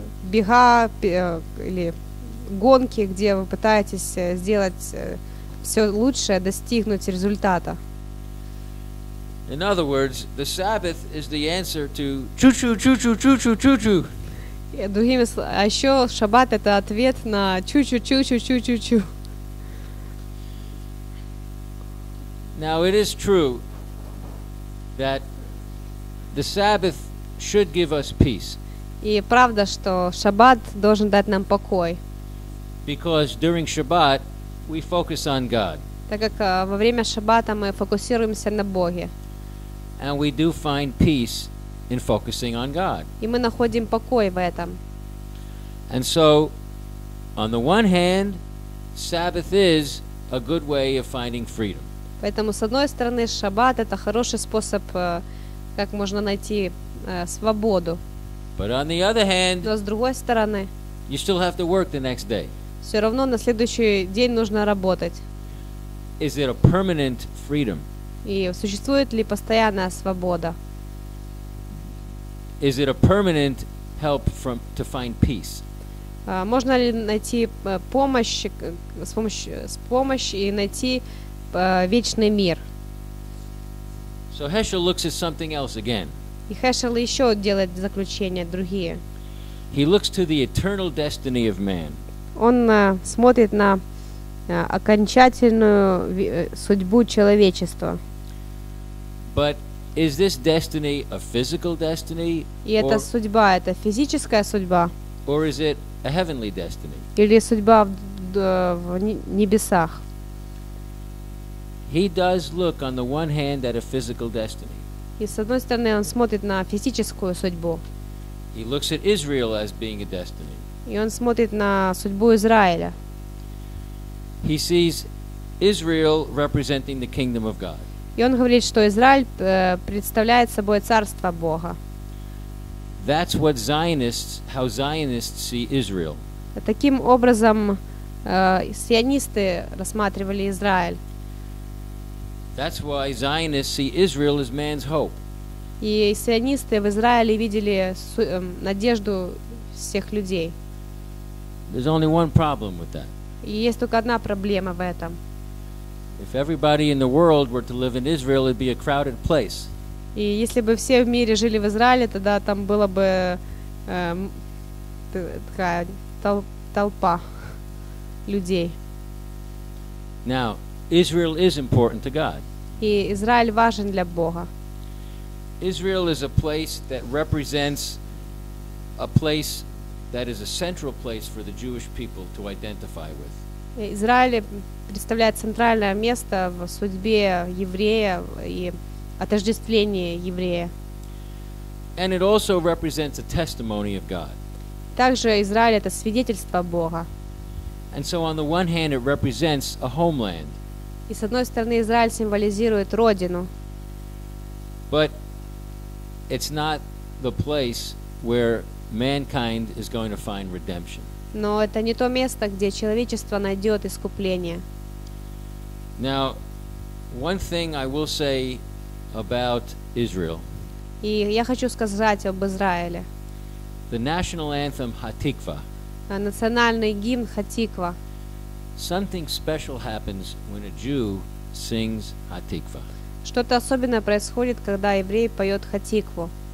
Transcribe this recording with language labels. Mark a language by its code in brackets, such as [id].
[ru] Бега или гонки, где вы пытаетесь сделать все лучшее достигнуть результата. [en] In other words, the Sabbath is the answer to чу-чу-чу-чу-чу-чу-чу-чу. [ru] Другими словами, еще Шаббат — это ответ на чу-чу-чу-чу-чу-чу-чу. [en] Now it is true that the Sabbath should give us peace. [ru] И правда, что Шаббат должен дать нам покой. [en] Because during Shabbat we focus on God. [ru] Так как во время Шаббата мы фокусируемся на Боге. [en] And we do find peace in focusing on God. [ru] И мы находим покой в этом. [en] And so, on the one hand, Sabbath is a good way of finding freedom. [ru] Поэтому, с одной стороны, Шаббат — это хороший способ, как можно найти свободу. [en] But on the other hand, [ru] но с другой стороны, [en] you still have to work the next day. [ru] Все равно на следующий день нужно работать. [en] Is it a permanent freedom? [ru] И существует ли постоянная свобода? [en] Is it a permanent help from to find peace? [ru] Можно ли найти помощь с помощью и найти вечный мир? [en] So Heschel looks at something else again. [ru] И Heschel еще делает заключения другие. [en] He looks to the eternal destiny of man. [ru] Он смотрит на окончательную судьбу человечества. [en] But is this destiny a physical destiny? [ru] И это судьба, это физическая судьба. [en] Or is it a heavenly destiny? [ru] Или судьба в небесах? [en] He does look on the one hand at a physical destiny. [ru] И с одной стороны он смотрит на физическую судьбу. [en] He looks at Israel as being a destiny. [ru] И он смотрит на судьбу Израиля. [en] He sees Israel representing the kingdom of God. [ru] И он говорит, что Израиль представляет собой царство Бога. [en] That's what Zionists, how Zionists see Israel. [ru] Таким образом, сионисты рассматривали Израиль. [en] That's why Zionists see Israel as man's hope. [ru] И сионисты в Израиле видели надежду всех людей. [en] There's only one problem with that. [ru] И есть только одна проблема в этом. [en] If everybody in the world were to live in Israel, it'd be a crowded place. [ru] И если бы все в мире жили в Израиле, тогда там было бы такая толпа людей. [en] Now, Israel is important to God. [ru] И Израиль важен для Бога. [en] Israel is a place that represents a place that is a central place for the Jewish people to identify with. [ru] Израиль представляет центральное место в судьбе еврея и отождествлении еврея. [en] And it also represents a testimony of God. [ru] Также Израиль — это свидетельство Бога. [en] And so on the one hand it represents a homeland. [ru] И с одной стороны Израиль символизирует родину. [en] But it's not the place where mankind is going to find redemption. [ru] Но это не то место, где человечество найдет искупление. [en] Now, one thing I will say about Israel. [ru] И я хочу сказать об Израиле. [en] The national anthem Hatikva. [ru] Национальный гимн Хатиква. [en] Something special happens when a Jew sings Hatikva. [ru] Что-то особенное происходит, когда еврей поет Хатикву.